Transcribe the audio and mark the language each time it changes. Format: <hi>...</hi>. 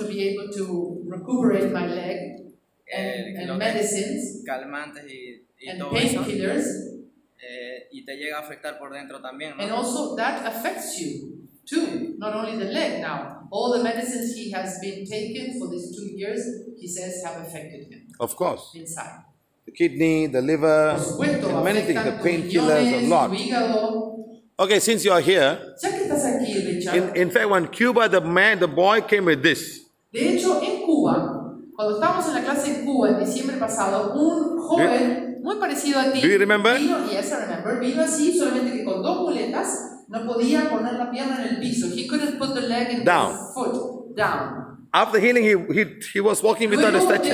<en>to be able to recuperate my leg and medicines</en> <es>calmantes y</es> <en>and</en> <es>todo</es> <en>painkillers</en> <es>eso, y te llega a afectar por dentro también, ¿no?</es> <en>And also that affects you too, not only the leg. Now all the medicines he has been taking for these 2 years, he says, have affected him. Of course. Inside. The kidney, the liver, many things, the painkillers, a lot. Okay, since you are here, in fact, when Cuba, the boy came with this.</en> <es>De hecho, en Cuba, cuando estábamos en la clase en Cuba en diciembre pasado, un joven muy parecido a ti.</es> <en>Do you remember? Yes, I remember.</en> <es>Vino así, solamente que con dos muletas no podía poner la pierna en el piso.</es> <en>He couldn't put the leg in down. His foot down. After healing, he was walking without a stretcher.</en>